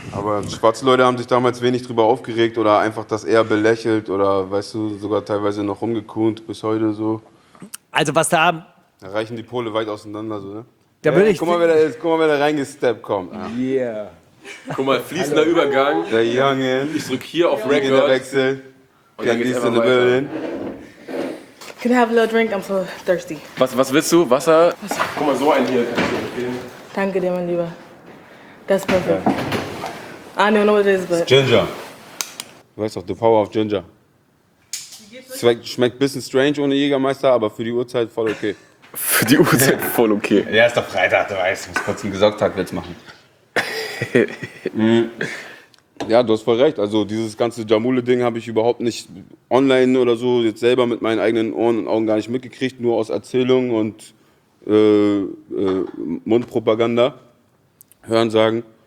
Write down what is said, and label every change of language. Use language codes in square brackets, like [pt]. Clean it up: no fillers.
[de] Aber schwarze Leute haben sich damals wenig drüber aufgeregt oder einfach das eher belächelt oder, weißt du, sogar teilweise noch rumgekuhnt bis heute so. Also was da... Da reichen die Pole weit auseinander, so, ne? Da würde ich. Guck mal, wer da reingesteppt kommt. Ja. Yeah. Guck mal, fließender Hallo. Übergang. Der Youngin. Ich drück hier auf Youngin. Record. Der Wechsel. Und dann gehst du in die Berlin. [en] Could I have a little drink? I'm so thirsty. [de] Was willst du? Wasser? Guck mal, so einen hier. Danke dir, mein Lieber. [en] That's perfect. Yeah. I don't know what it is, but... It's ginger. [de] Du weißt doch, [en] the power of ginger. [de] Schmeckt ein bisschen strange ohne Jägermeister, aber für die Uhrzeit voll okay. Für die Uhrzeit voll okay. Ja, ist doch Freitag, du weißt. Ich muss kurz einen Gesocktag jetzt machen. Ja, du hast voll recht. Also dieses ganze Jamule-Ding habe ich überhaupt nicht online oder so jetzt selber mit meinen eigenen Ohren und Augen gar nicht mitgekriegt, nur aus Erzählungen und Mundpropaganda hören sagen.